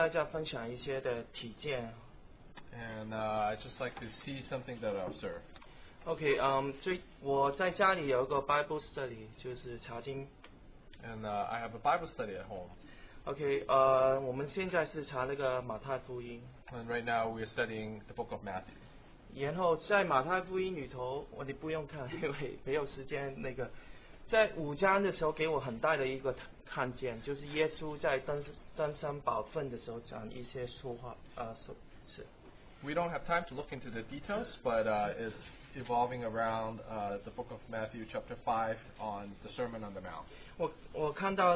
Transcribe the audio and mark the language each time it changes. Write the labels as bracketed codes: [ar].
[zh] 今天想跟大家分享一些的体验。And [en] I just like to see something that I observe. [zh] Okay, 我在家里有个 Bible study, 就是查经。 [en] And I have a Bible study at home. [zh] Okay, 我们现在是查那个马太福音。 [en] And right now we are studying the book of Matthew. [zh] 然后在马太福音里头，我你不用看，因为没有时间那个。在五章的时候给我很大的一个看见，就是耶稣在登山宝训的时候讲一些说话，是。We [en] don't have time to look into the details, but it's evolving around the book of Matthew chapter 5 on the Sermon on the Mount.